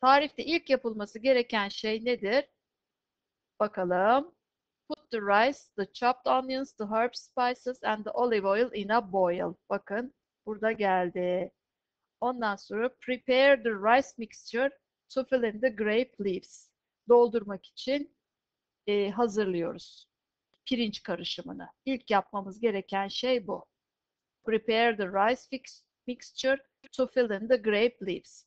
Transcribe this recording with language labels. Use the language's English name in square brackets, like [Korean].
[Turkish] Tarifte ilk yapılması gereken şey nedir? Bakalım. [English] Put the rice, the chopped onions, the herbs, spices and the olive oil in a boil. [Turkish] Bakın burada geldi. Ondan sonra [English] prepare the rice mixture to fill in the grape leaves. [Turkish] Doldurmak için hazırlıyoruz pirinç karışımını. İlk yapmamız gereken şey bu. [English] Prepare the rice mixture to fill in the grape leaves.